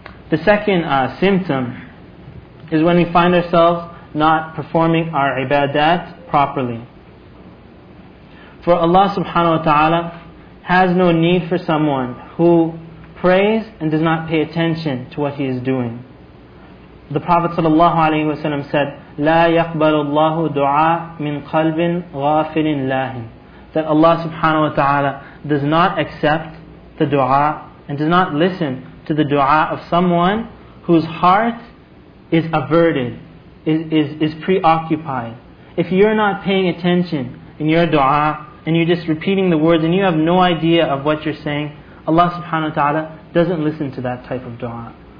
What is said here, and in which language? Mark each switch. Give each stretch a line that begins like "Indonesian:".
English: The second symptom is when we find ourselves not performing our ibadat properly. For Allah subhanahu wa ta'ala has no need for someone who prays and does not pay attention to what he is doing. The Prophet sallallahu alaihi wasallam said,
Arabic: لا يقبل الله دعاء من قلب غافل لله.
English: That Allah subhanahu wa ta'ala does not accept the dua and does not listen to the dua of someone whose heart is averted, is preoccupied. If you're not paying attention in your dua and you're just repeating the words and you have no idea of what you're saying, Allah subhanahu wa ta'ala doesn't listen to that type of dua.